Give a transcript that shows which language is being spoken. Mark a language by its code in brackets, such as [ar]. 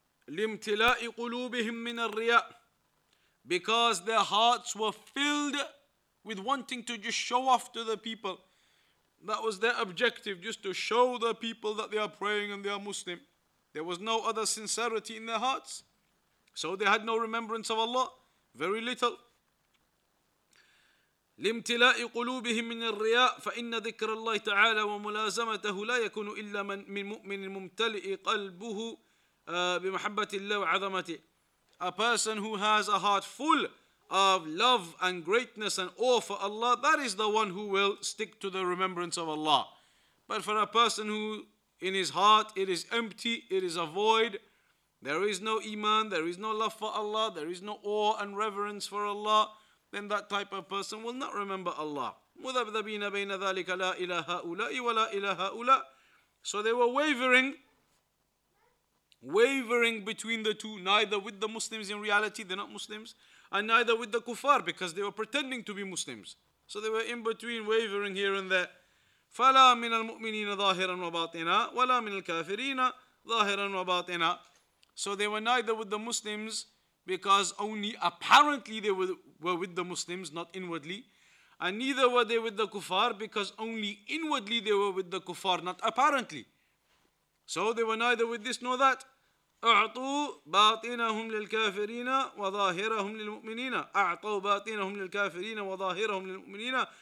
[ar] لامتلاء قلوبهم من الرياء, [en] because their hearts were filled with wanting to just show off to the people. That was their objective, just to show the people that they are praying and they are Muslim. There was no other sincerity in their hearts, so they had no remembrance of Allah, very little. [ar] لامتلاء قلوبهم من الرياء فإن ذكر الله تعالى وملازمته لا يكون إلا من مؤمن ممتلئ قلبه بمحبة الله وعظمته. [en] A person who has a heart full of love and greatness and awe for Allah, that is the one who will stick to the remembrance of Allah. But for a person who in his heart it is empty, it is a void, there is no iman, there is no love for Allah, there is no awe and reverence for Allah, then that type of person will not remember Allah. [ar] مذبذبين بين ذلك لا إلى هؤلاء ولا إلى هؤلاء. [en] So they were wavering between the two, neither with the Muslims in reality, they're not Muslims, and neither with the kuffar, because they were pretending to be Muslims. So they were in between, wavering here and there. [ar] فَلَا مِنَ الْمُؤْمِنِينَ ظَاهِرًا وَبَاطِنًا وَلَا مِنَ الْكَافِرِينَ ظَاهِرًا وَبَاطِنًا. [en] So they were neither with the Muslims, because only apparently they were with the Muslims, not inwardly. And neither were they with the kuffar, because only inwardly they were with the kuffar, not apparently. So they were neither with this nor that. [ar] أعطوا باطنهم للكافرين وظاهرهم للمؤمنين. أعطوا باطنهم للكافرين وظاهرهم للمؤمنين.